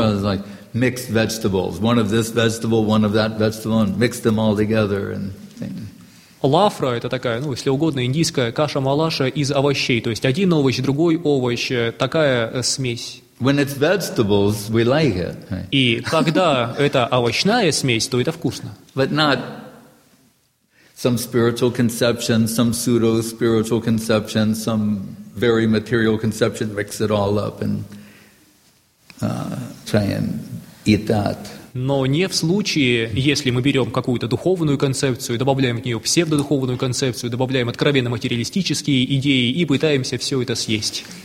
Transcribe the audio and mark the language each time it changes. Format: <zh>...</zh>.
<en>Лафра is like mixed vegetables. One of this vegetable, one of that vegetable, and mix them all together.</en> <ru>Лафра — это такая, ну, если угодно, индийская каша-малаша из овощей. То есть один овощ, другой овощ, такая смесь.</ru> <en>When it's vegetables, we like it.</en> <ru>И когда это овощная смесь, то это вкусно.</ru> <en>But not some spiritual conception, some pseudo spiritual conception, some very material conception, mix it all up and try and eat that.</en> <ru>Но не в случае, если мы берем какую-то духовную концепцию, добавляем в нее псевдодуховную концепцию, добавляем откровенно материалистические идеи и пытаемся все это съесть.</ru>